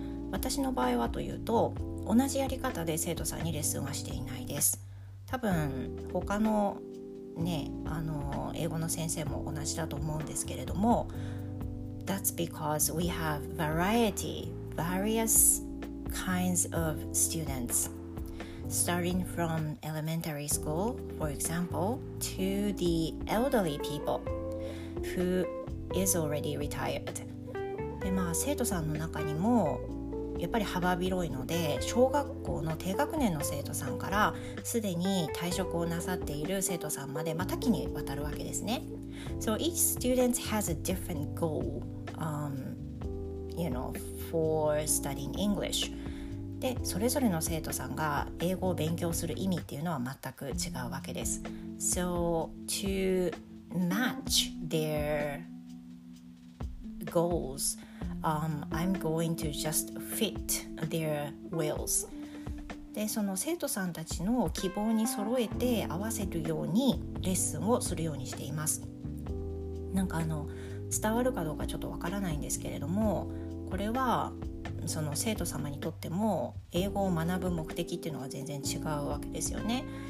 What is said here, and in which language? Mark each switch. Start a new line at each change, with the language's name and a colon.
Japanese: 私の場合はというと、同じやり方で生徒さんにレッスンはしていないです。
English: 多分他のね、英語の先生も同じだと思うんですけれども、 That's because we have various kinds of students starting from elementary school, for example, to the elderly people who is already retired.
Japanese: で、まあ、生徒さんの中にもやっぱり幅広いので、小学校の低学年の生徒さんからすでに退職をなさっている生徒さんまで、まあ、多岐にわたるわけですね。
English: So each student has a different goal, for studying English.
Japanese: で、それぞれの生徒さんが英語を勉強する意味っていうのは全く違うわけです。
English: So to match their goals,I'm going to just fit their wills.
Japanese: で、その生徒さんたちの希望に揃えて合わせるようにレッスンをするようにしています。なんか伝わるかどうかちょっとわからないんですけれども、これはその生徒様にとっても英語を学ぶ目的っていうのは全然違うわけですよね。